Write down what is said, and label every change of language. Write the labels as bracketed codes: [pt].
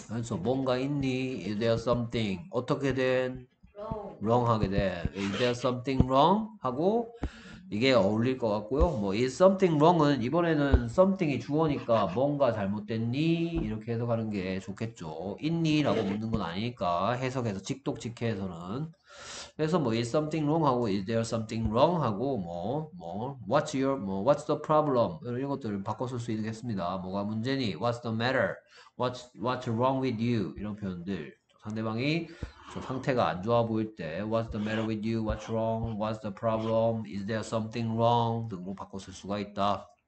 [ko] 그래서 뭔가 있니? [en] Is there something? [ko] 어떻게 된? Wrong 하게 된. [en] Is there something wrong? [ko] 하고 이게 어울릴 것 같고요. 뭐, [en] is something wrong [ko] 은 이번에는 something이 주어니까 뭔가 잘못됐니? 이렇게 해석하는 게 좋겠죠. 있니라고 묻는 건 아니니까 해석해서 직독직해에서는. [en] 그래서 뭐, is something wrong 하고, is there something wrong 하고, what's the problem? [ko] 이런 것들을 바꿔 쓸수 있겠습니다. 뭐가 문제니? [en] What's the matter? What's wrong with you? [ko] 이런 표현들. 상대방이 저 상태가 안 좋아 보일 때, [en] What's the matter with you? What's wrong? What's the problem? Is there something wrong? [ko] 등으로 바꿔 쓸 수가 있다.